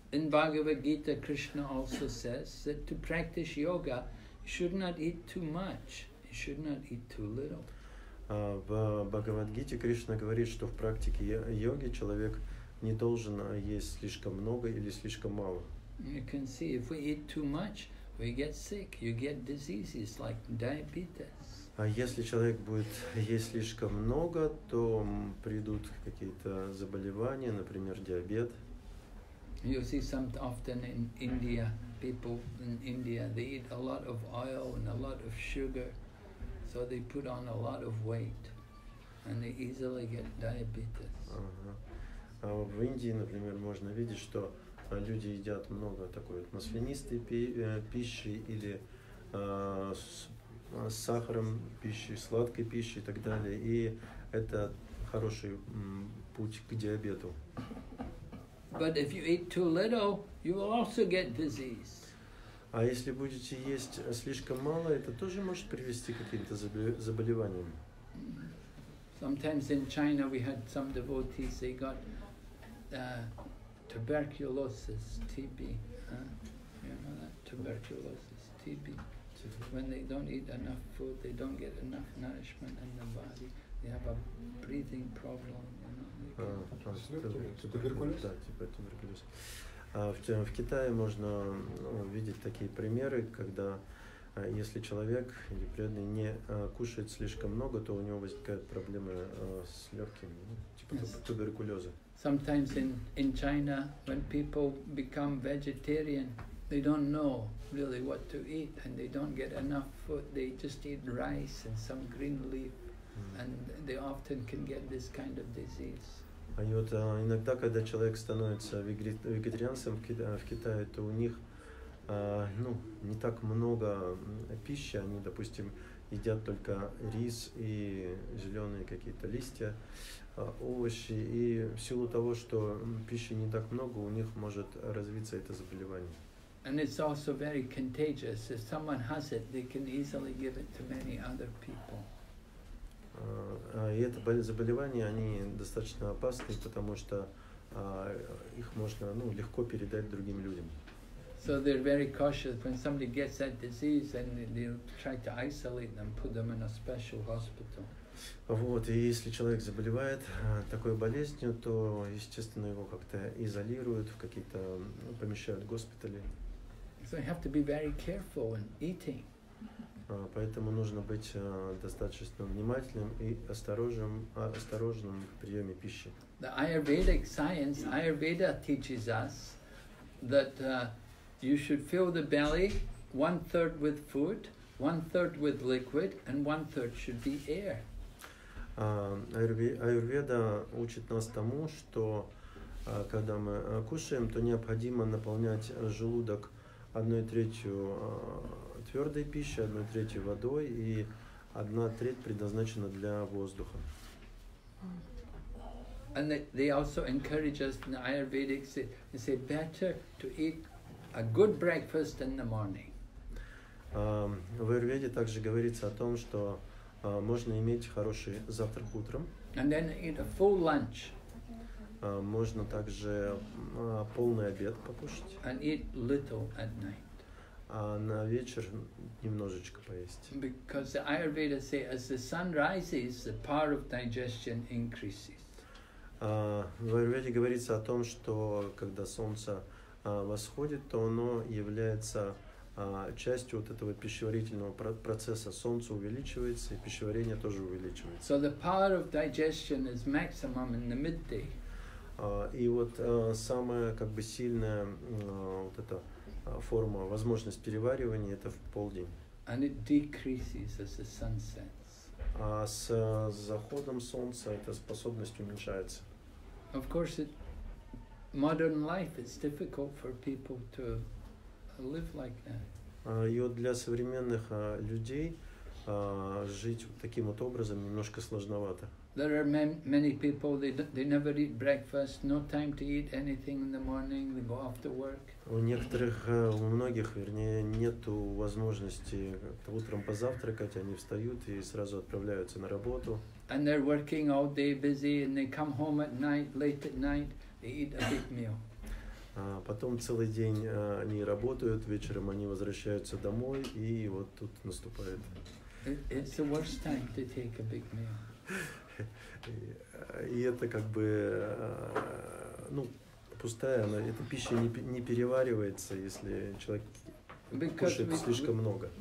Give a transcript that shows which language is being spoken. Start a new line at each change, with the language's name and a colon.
English: In Bhagavad Gita, Krishna also says that to practice yoga, you should not eat too much, you should not eat too little.
Russian: В Бхагавад-гите Кришна говорит, что в практике йоги человек не должен есть слишком много или слишком мало.
English: You can see, if we eat too much, we get sick, you get diseases like diabetes.
Russian: А если человек будет есть слишком много, то придут какие-то заболевания, например, диабет.
English: You see some often in India, people in India, they eat a lot of oil and a lot of sugar, so they put on a lot of weight and they easily get diabetes. Ага.
Russian: А в Индии, например, можно видеть, что люди едят много такой вот маслянистой пищи или с сахаром пищи, сладкой пищи и так далее. И это хороший путь к диабету.
English: But if you eat too little, you will also get disease.
Russian: А если будете есть слишком мало, это тоже может привести к каким-то заболеваниям.
English: Sometimes in China we had some devotees, they got tuberculosis, TB, tuberculosis, TB. When they don't eat enough food, they don't get enough nourishment in the body. They have a breathing problem.
Russian: Туберкулез. В Китае можно видеть такие примеры, когда если человек или преданный не кушает слишком много, то у него возникают проблемы с легкими, туберкулеза.
English: Sometimes in China, when people become vegetarian, they don't know really what to eat, and they don't get enough food. They just eat rice and some green leaf, and they often can get this kind of disease.
Russian: А вот иногда, когда человек становится вегетарианцем в Китае, то у них не так много пищи, они, допустим, едят только рис и зеленые какие-то листья, овощи, и в силу того, что пищи не так много, у них может развиться это заболевание.
English: And it's also very contagious. If someone has it, they can easily give it to many other people.
Russian: И это заболевания, они достаточно опасны, потому что их можно легко передать другим людям.
English: So they're very cautious when somebody gets that disease, and they'll try to isolate them, put them in a special hospital.
Russian: Вот, и если человек заболевает такой болезнью, то, естественно, его как-то изолируют, в какие-то помещают госпитали.
English: So you have to be very careful in eating.
Russian: Поэтому нужно быть достаточно внимательным и осторожным в приеме пищи.
English: The Ayurvedic science, Ayurveda teaches us that you should fill the belly one third with food, one third with liquid, and one third should be air.
Russian: Аюрведа учит нас тому, что когда мы кушаем, то необходимо наполнять желудок 1/3 твердой пищи, 1/3 водой и 1/3 предназначена для воздуха.
English: And they also encourage us in the Ayurvedic, they say better to eat a good breakfast in the morning.
Russian: В Аюрведе также говорится о том, что можно иметь хороший завтрак утром.
English: And then eat a full lunch.
Russian: Можно также полный обед покушать.
English: And eat little at night.
Russian: А на вечер немножечко поесть.
English: Because the Ayurveda say as the sun rises, the power of digestion increases.
Russian: В Аюрведе говорится о том, что когда солнце восходит, то оно является частью вот этого пищеварительного процесса. Солнце увеличивается, и пищеварение тоже увеличивается.
English: So the power of digestion is maximum in the midday.
Russian: И вот самая как бы сильная вот эта форма, возможность переваривания, это в полдень.
English: And it decreases as the sun sets.
Russian: А с заходом солнца эта способность уменьшается.
English: Of course, it, modern life is difficult for people to live like that.
Russian: И вот для современных людей жить таким вот образом немножко сложновато.
English: There are many people they never eat breakfast, no time to eat anything in the morning, they go off to work.
Russian: У некоторых, у многих, вернее, нету возможности утром позавтракать, они встают и сразу отправляются на работу.
English: And they're working all day busy, and they come home at night, late at night, they eat a big meal.
Russian: Потом целый день они работают, вечером они возвращаются домой, и вот тут наступает.
English: It's the worst time to take a big meal.
Russian: И это как бы, ну, пустая, но эта пища не переваривается, если человек кушает слишком много.